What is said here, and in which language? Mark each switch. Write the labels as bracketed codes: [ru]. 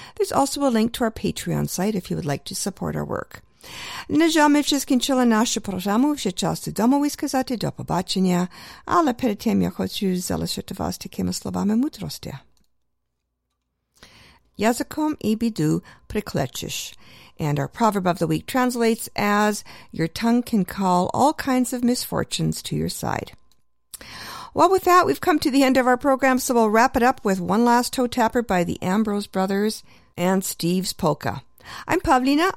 [en] There's also a link to our Patreon site if you would like to support our work. [uk] На жаль, ми вже скінчили нашу програму, вже час додому і сказати до побачення, але перед тим я хочу залишити вас такими словами мудрості. Язиком і біду приклечеш. [en] And our proverb of the week translates as, your tongue can call all kinds of misfortunes to your side. Well, with that, we've come to the end of our program, so we'll wrap it up with one last toe tapper by the Ambrose Brothers and Steve's Polka. I'm Pavlina.